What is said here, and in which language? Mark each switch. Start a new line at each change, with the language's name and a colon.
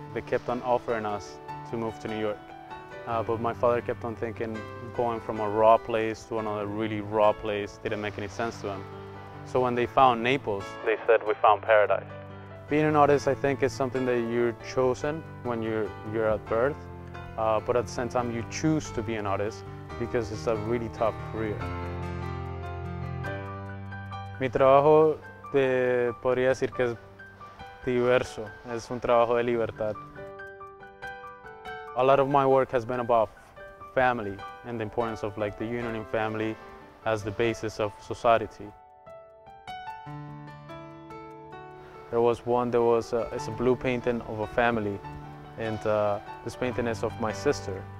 English: They kept on offering us to move to New York. But my father kept on thinking going from a raw place to another really raw place didn't make any sense to him. So when they found Naples, they said, "We found paradise." Being an artist, I think, is something that you're chosen when you're at birth. But at the same time, you choose to be an artist because it's a really tough career.
Spanish: Mi trabajo te podría decir que es diverso. Es un trabajo de libertad.
English: A lot of my work has been about family and the importance of like the union in family as the basis of society. There was one that was it's a blue painting of a family, and this painting is of my sister.